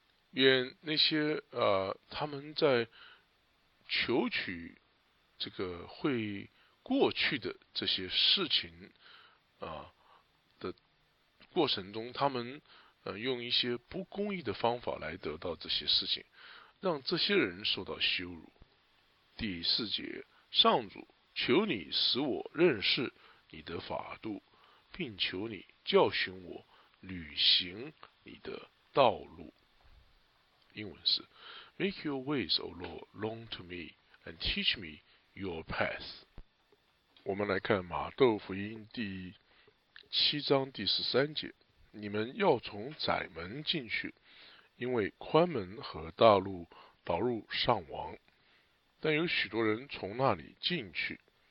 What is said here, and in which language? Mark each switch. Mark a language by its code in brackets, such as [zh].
[zh] 愿那些他们在求取这个会过去的这些事情的过程中，他们用一些不公义的方法来得到这些事情，让这些人受到羞辱。第四节，上主，求你使我认识你的法度，并求你教训我履行你的道路。英文是 [en] Make your ways, O Lord, known to me, and teach me your path。 [zh] 我们来看马窦福音第七章第十三节，你们要从窄门进去，因为宽门和大路导入上王，但有许多人从那里进去。